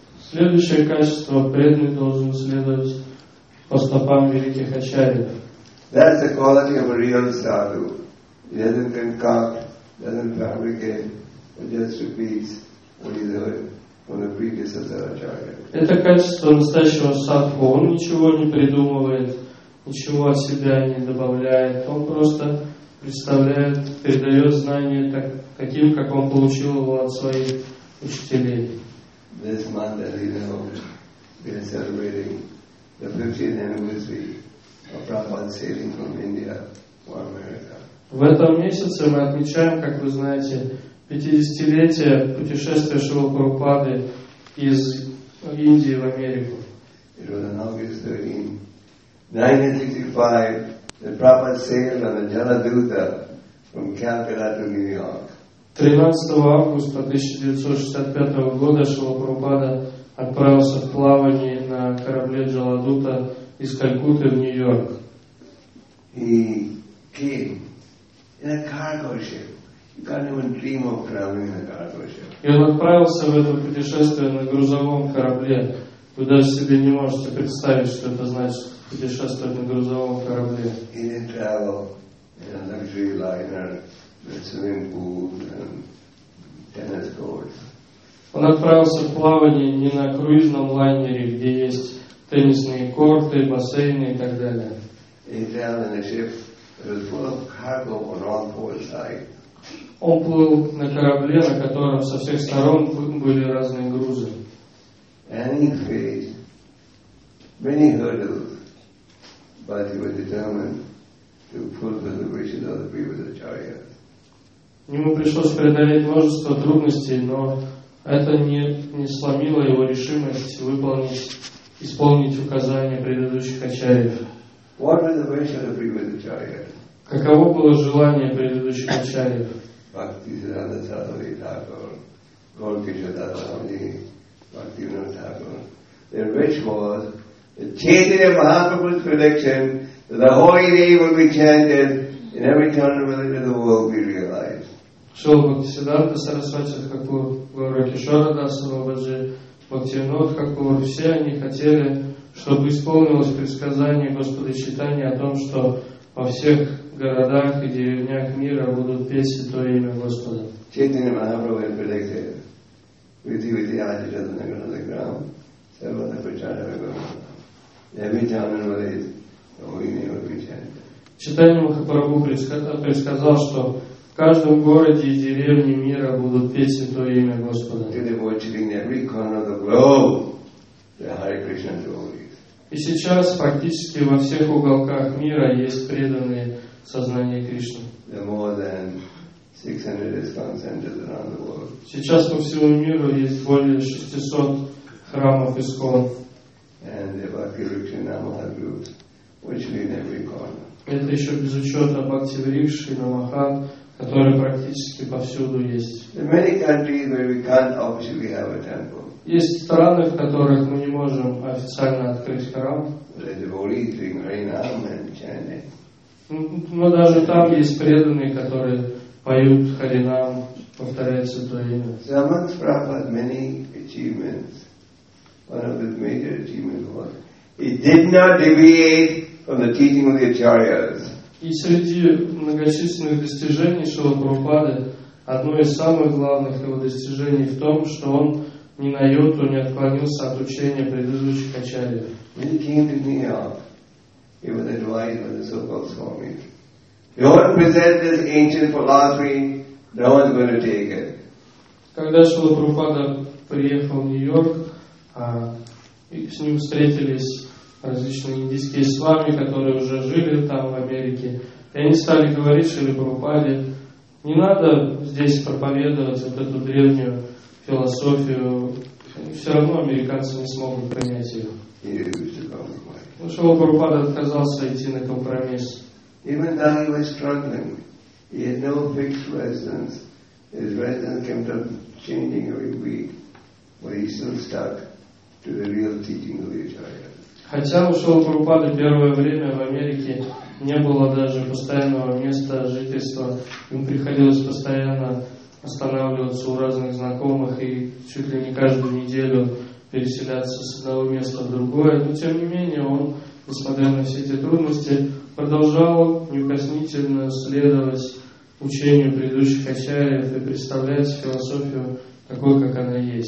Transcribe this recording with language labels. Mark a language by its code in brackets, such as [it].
[ru] Следующее качество преданный должен следовать по стопам великих ачарьев. [en] That's the quality of a real sadhu. He doesn't concoct, doesn't fabricate, but just repeats what he heard from the predecessor ачарья. [ru] Это качество настоящего садху. Он ничего не придумывает, ничего от себя не добавляет. Он просто представляет, передает знания таким, как он получил его от своих учителей. [en] This month, as you know, we are celebrating the 50th anniversary of Prabhupada sailing from India to America. [ru] В этом месяце мы отмечаем, как вы знаете, 50-летие путешествия Шрилы Прабхупады из Индии в Америку. [en] It was on August 13, 1965. The Prabhupada sailed on the Jaladuta from Calcutta to New York. [ru] 13 августа 1965 года Шрила Прабхупада отправился в плавание на корабле Джаладута из Калькутты в Нью-Йорк. [en] He came in a cargo ship. You can't even dream of traveling in a cargo ship. [ru] И он отправился в это путешествие на грузовом корабле. Вы даже себе не можете представить, что это значит. Путешествовать на грузовом корабле. [en] He didn't travel in a luxury liner with swimming pools and tennis courts. [ru] Он отправился в плавание не на круизном лайнере, где есть теннисные корты, бассейны и так далее. [en] He traveled in a ship that was full of cargo on all four sides. [ru] Он плыл на корабле, на котором со всех сторон были разные грузы. [en] And he faced many hurdles. But he was determined to fulfill the wishes of the previous acharyas. [ru] Ему пришлось преодолеть множество трудностей, но это не сломило его решимость исполнить указания предыдущих ачарьев. [en] What was the wish of the previous acharyas? [ru] Каково было желание предыдущих ачарьев? [en] Bhakti Siddhanta Saraswati Thakur, Gaurakisha Dasa Ramji, Bhakti Vinod Thakur. Their wish was Chaitanya Mahaprabhu's prediction that the holy name will be chanted in every town and village of the world be realized. [ru] Шрила Бхактисиддханта Сарасвати Тхакур Гора Кишорадаса, Бабаджи Бхактивинод Хакур, все они хотели, чтобы исполнилось предсказание Господа Чайтаньи о том, что во всех городах и деревнях мира будут петь Святое Имя Господа. Чайтанья Махапрабху предсказал, Vidhi-vidhi ajitata nagana the ground, sarvata prachara vagavata. [en] Every jhaman vadit, the holy name will be chanted. [ru] Chaitanya Mahaprabhu предсказал, что в каждом городе и деревне мира будут петь Святое Имя Господа. [en] To the devotees in every corner of the globe, the Hare Krishna devotees. [ru] И сейчас фактически во всех уголках мира есть преданные сознания Кришны. [en] The more than 600 ISKCON centers around the world. [ru] Сейчас по всему миру есть более 600 храмов ISKCON. [en] And the Bhakti-Rikshi Namaha groups, which are in every corner. [ru] Это еще без учета Бхакти-Рикши Намаха, которые практически повсюду есть. [en] There are many countries where we can't officially have a temple. [ru] Есть страны, в которых мы не можем официально открыть храм. [en] The devotees doing Harinam and chanting. [ru] Но даже там есть преданные, которые поют Харинам, повторяют Святое Имя. [en] Саман Прабхупад many achievements. One of his major achievements was he did not deviate from the teaching of the Acharyas. [ru] И среди многочисленных достижений Шрилы Прабхупады одно из самых главных его достижений в том, что он ни на йоту не отклонился от учения предыдущих Ачарьев. [en] When he came to New York, he was advised by the so-called Swami. You want to present this ancient philosophy, no one's going to take it. [ru] Когда Шрила Прабхупада приехал в Нью-Йорк, с ним встретились различные индийские свами, которые уже жили там, в Америке. И они стали говорить Шриле Прабхупаде, не надо здесь проповедовать вот эту древнюю философию, все равно американцы не смогут принять ее. Но Шрила Прабхупада отказался идти на компромисс. [en] Even though he was struggling, he had no fixed residence. His residence kept on changing every week, but he still stuck to the real teaching of the Acharya. [ru] Хотя у Шрилы Прабхупады первое время в Америке не было даже постоянного места жительства, ему приходилось постоянно останавливаться у разных знакомых и чуть ли не каждую неделю переселяться с одного места в другое. Но тем не менее он, несмотря на все эти трудности, продолжал неукоснительно следовать учению предыдущих ачарьев и представлять философию такой, как она